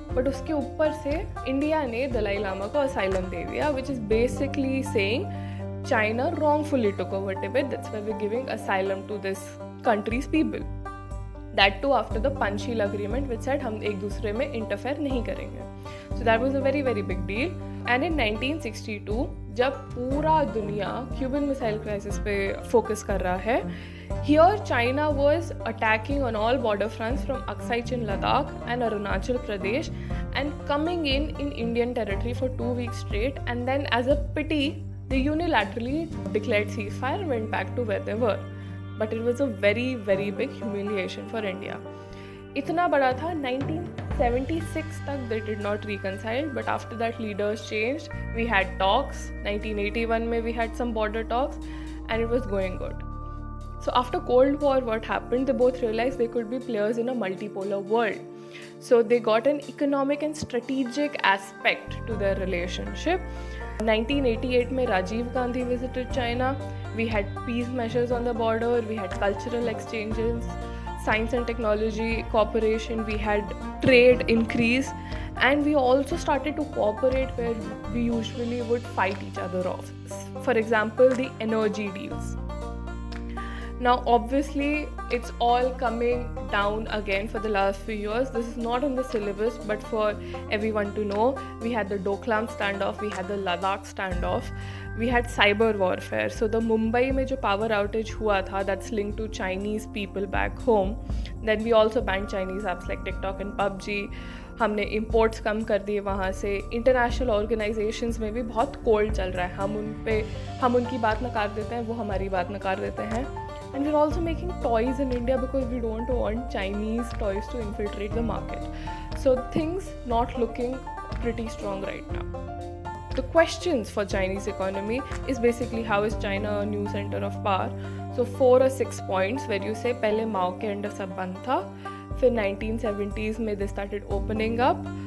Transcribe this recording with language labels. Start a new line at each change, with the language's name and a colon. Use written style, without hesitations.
English: But
Hindi: uske upar se,
English: India
Hindi: ne Dalai Lama ko asylum de diya,
English: which is basically saying China wrongfully took over Tibet. That's why we're giving asylum to this country's people. That too after the Panchsheel agreement, which said
Hindi: hum ek dusre mein interfere nahi karenge.
English: So that was a very, very big deal. And in 1962
Hindi: जब पूरा दुनिया
English: Cuban missile crisis
Hindi: पे focus कर रहा है,
English: Here China was attacking on all border fronts from Aksai Chin Ladakh and Arunachal Pradesh and coming in Indian territory for 2 weeks straight and then as a pity they unilaterally declared cease fire and went back to where they were. But it was a very very big humiliation for India.
Hindi: इतना बड़ा था
English: 1976 तक they did not reconcile, but after that leaders change, we had talks 1981 में, we had some border talks and it was going good. So after Cold War, what happened? They both realized they could be players in a multipolar world. So they got an economic and strategic aspect to their relationship. 1988 mein Rajiv Gandhi visited China. We had peace measures on the border. We had cultural exchanges, science and technology cooperation. We had trade increase. And we also started to cooperate where we usually would fight each other off. For example, the energy deals. Now, obviously, it's all coming down again for the last few years. This is not on the syllabus, but for everyone to know, we had the Doklam standoff, we had the Ladakh standoff, we had cyber warfare. So the Mumbai
Hindi: mein jo power outage hua tha,
English: that's linked to Chinese people back home. Then we also banned Chinese apps like TikTok and PUBG.
Hindi: हमने imports कम कर दिए वहाँ से. International organisations में भी बहुत cold चल रहा है. हम उनकी बात नकार देते हैं, वो हमारी बात नकार देते हैं.
English: And we're also making toys in India because we don't want Chinese toys to infiltrate the market. So things not looking pretty strong right now. The questions for Chinese economy is basically how is China a new center of power? So 4 or 6 points where you say
Hindi: pehle Mao ke under sab band tha, phir 1970s mein
English: they started opening up.